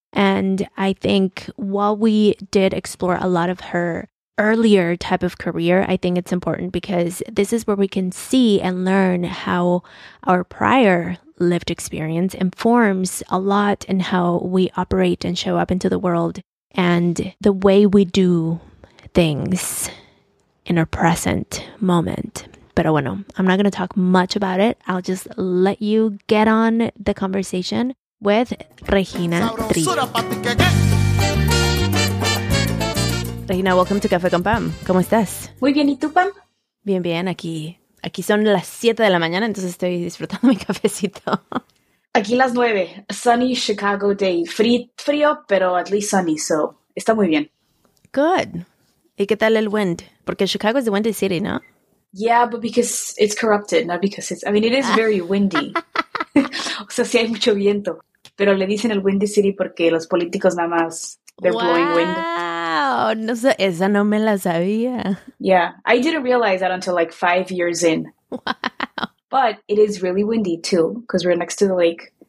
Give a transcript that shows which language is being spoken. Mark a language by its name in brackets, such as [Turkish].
[English] And I think while we did explore a lot of her earlier type of career, I think it's important because this is where we can see and learn how our prior lived experience informs a lot in how we operate and show up into the world and the way we do things in our present moment. [Spanish] Pero bueno, [English] I'm not going to talk much about it. I'll just let you get on the conversation with Regina Trillo. Regina, welcome to Café con Pam. [Spanish] ¿Cómo estás? Muy bien, ¿y tú, Pam? Bien, bien. Aquí son las 7 de la mañana, entonces estoy disfrutando mi cafecito. Aquí las 9, [English] sunny Chicago day. [Spanish] Frío, pero [English] at least sunny, so [Spanish] está muy bien. [English] Good. [Spanish] ¿Y qué tal el wind? Porque Chicago [English] is the windy city, [Spanish] ¿no? [English] Yeah, but because it's corrupted, not because it's... I mean, it is very windy. [Spanish] O sea, sí hay mucho viento, pero le dicen el windy city porque los políticos nada más... [English] They're blowing wind. [Spanish] Wow, no sé, esa no me la sabía. [English] Yeah, I didn't realize that until like 5 years in. Wow. But it is really windy too, because we're next to the lake.